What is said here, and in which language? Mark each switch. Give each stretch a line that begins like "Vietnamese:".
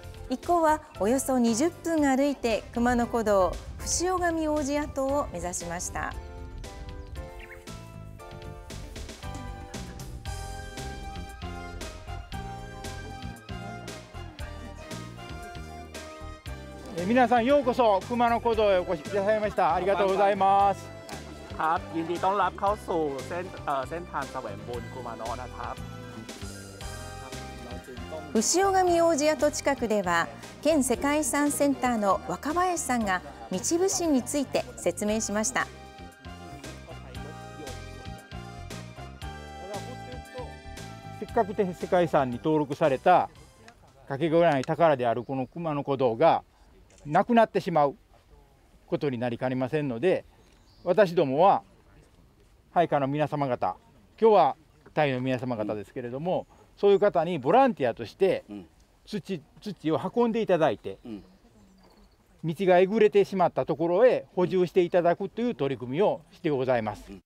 Japanese: 一行はおよそ20分歩いて熊野古道伏拝王子跡を目指しました。皆さんようこそ熊野古道へお越しくださいました。ありがとうございます。
Thai: ครับยินดีต้อนรับเข้าสู่เส้นทางแสวงบุญกุมารนะครับ
Japanese: 伏拝王子跡近くでは県世界遺産センターの若林さんが道普請について説明しました。せっかく世界遺産に登録されたかけがえない宝であるこの熊野古道がなくなってしまうことになりかねませんので、私どもは配下の皆様方、今日はタイの皆様方ですけれども、そういう方にボランティアとして土を運んでいただいて、道がえぐれてしまったところへ補充していただくという取り組みをしてございます。